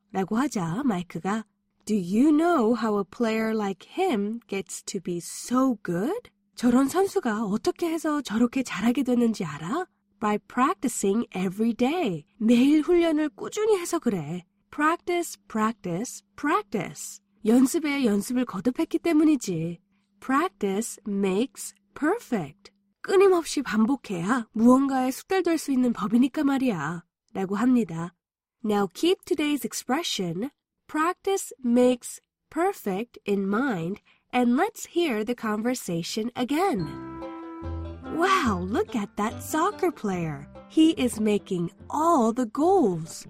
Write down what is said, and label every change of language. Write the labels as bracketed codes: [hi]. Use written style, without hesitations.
[ko] 라고 하자 마이크가 [en] Do you know how a player like him gets to be so good? [ko] 저런 선수가 어떻게 해서 저렇게 잘하게 되는지 알아? [en] By practicing every day. [ko] 매일 훈련을 꾸준히 해서 그래. [en] Practice, practice, practice. [ko] 연습에 연습을 거듭했기 때문이지. [en] Practice makes perfect. [ko] 끊임없이 반복해야 무언가에 숙달될 수 있는 법이니까 말이야. 라고 합니다. [en] Now keep today's expression, practice makes perfect in mind, and let's hear the conversation again. Wow, look at that soccer player. He is making all the goals.